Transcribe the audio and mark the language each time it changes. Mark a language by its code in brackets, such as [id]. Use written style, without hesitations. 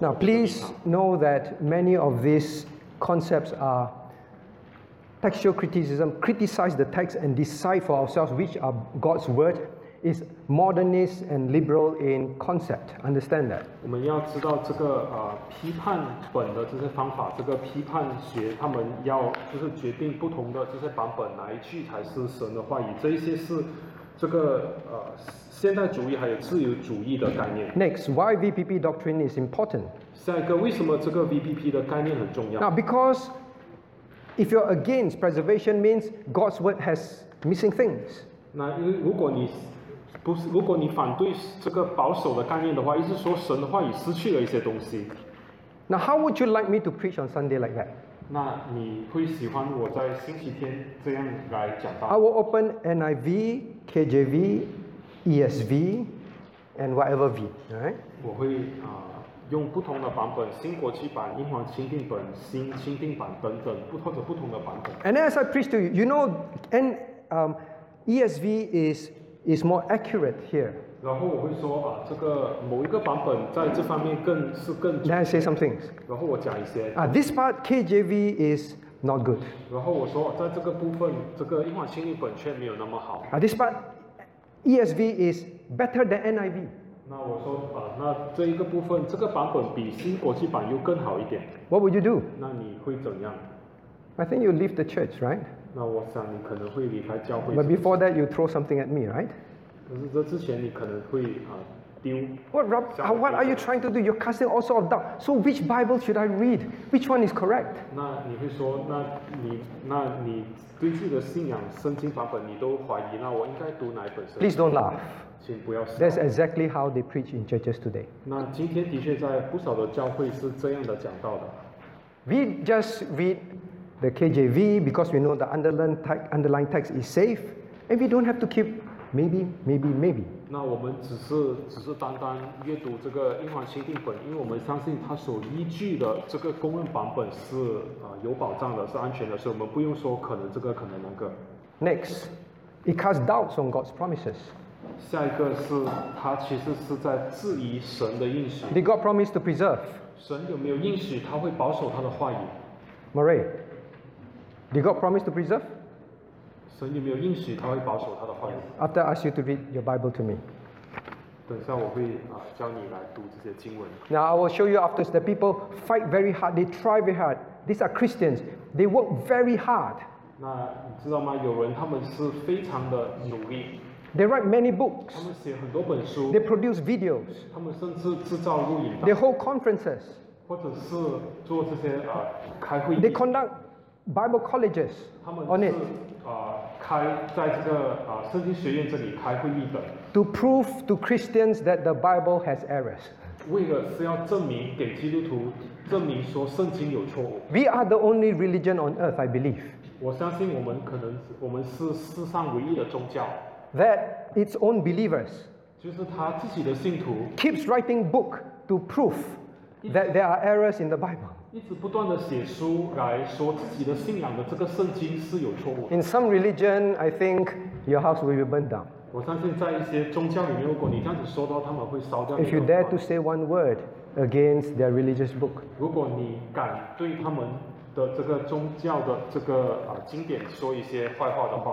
[en] Now please know that many of these concepts are textual criticism. Criticize the text and decide for ourselves which are God's word. Is modernist and liberal in concept. Understand that. [zh] 我们要知道这个批判本的这些方法，这个批判学，他们要就是决定不同的这些版本哪一句才是神的话语。这一些是这个现代主义还有自由主义的概念。 [en] Next, why VPP doctrine is important? [zh] 下一个，为什么这个 VPP 的概念很重要 [en] ？Now, because if you're against preservation, means God's word has missing things. [zh] 那如果你不是，如果你反对这个保守的概念的话，意思说神的话语失去了一些东西。 [en] Now, how would you like me to preach on Sunday like that? [zh] 那你会喜欢我在星期天这样来讲道？ [en] I will open NIV, KJV, ESV, and whatever V. Right? [zh] 我会用不同的版本，新国际版、英皇钦定本、新钦定版等等，或者不同的版本。 [en] And as I preach to you, you know, and ESV is more accurate here. [zh] 然后我会说这个某一个版本在这方面更是更。 [en] Then I say some things. [zh] 然后我讲一些。 [en] This part KJV is not good. [zh] 然后我说在这个部分，这个英皇钦定本却没有那么好。 [en] This part ESV is better than NIV. [zh] 那我说那这一个部分，这个版本比新国际版又更好一点。 [en] What would you do? [zh] 那你会怎样 [en] ？I think you leave the church, right? [zh] 那我想你可能会离开教会。 [en] But before that, you throw something at me, right? [zh] 可是这之前你可能会丢。 [en] What, Rob? What are you trying to do? You're casting all sorts of doubt. So which Bible should I read? Which one is correct? [zh] 那你会说，那你对自己的信仰圣经版本你都怀疑，那我应该读哪一本圣经？ [en] Please don't laugh. [zh] 请不要笑。 [en] That's exactly how they preach in churches today. [zh] 那今天的确在不少的教会是这样的讲道的。 [en] We just read. The KJV, because we know the underlying text is safe, and we don't have to keep maybe. [zh] 那我们只是单单阅读这个英皇钦定本，因为我们相信它所依据的这个公认版本是有保障的，是安全的，所以我们不用说可能这个可能那个。 [en] Next, it casts doubts on God's promises. [zh] 下一个是它其实是在质疑神的应许。 [en] Did God promise to preserve? [zh] 神有没有应许他会保守他的话语 [en] ？Murray. Did God promise to preserve? [zh] 神有没有应许他会保守他的话语 [en] ？After I ask you to read your Bible to me. [zh] 等下我会教你来读这些经文。 [en] Now I will show you after that people fight very hard. They try very hard. These are Christians. They work very hard. [zh] 那你知道吗？有人他们是非常的努力。 [en] They write many books. [zh] 他们写很多本书。 [en] They produce videos. [zh] 他们甚至制造录影。 [en] They hold conferences. [zh] 或者是做这些开会。 [en] They conduct. Bible colleges on it. [zh] 开在这个圣经学院这里开会议的。 [en] To prove to Christians that the Bible has errors. [zh] 为了是要证明给基督徒证明说圣经有错误。 [en] We are the only religion on earth, I believe. [zh] 我相信我们可能我们是世上唯一的宗教。 [en] That its own believers [zh] 就是他自己的信徒 [en] keeps writing book to prove that there are errors in the Bible. [zh] 一直不断的写书来说自己的信仰的这个圣经是有错误。 [en] In some religion, I think your house will be burned down. [zh] 我相信在一些宗教里面，如果你这样子说到，他们会烧掉你的。 [en] If you dare to say one word against their religious book, [zh] 如果你敢对他们的这个宗教的这个经典说一些坏话的话